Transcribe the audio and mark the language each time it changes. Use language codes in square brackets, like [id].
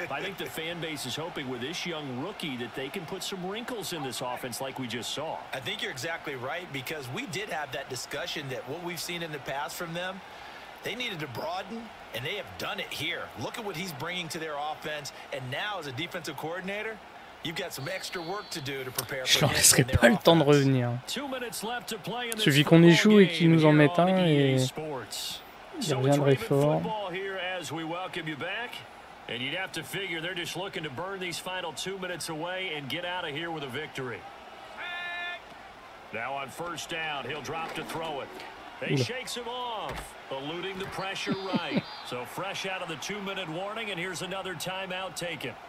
[en] I think the fan base is hoping with this young rookie that they can put some wrinkles in this offense like we just saw. I think you're exactly right, because we did have that discussion that what we've seen in the past from them, they needed to broaden, and they have done it here. Look at what he's bringing to their offense, and now as a defensive coordinator, you've got some extra work to do to prepare for. [fr] Je leur laisserai pas le temps de revenir. Il suffit qu'on échoue et qu'ils nous en mettent un et ils reviendraient fort. [en] As we welcome you back, and you'd have to figure they're just looking to burn these final 2 minutes away and get out of here with a victory. Now on first down, he'll drop to throw it. He shakes him off, eluding the pressure right. So fresh out of the 2 minute warning, and here's another timeout taken.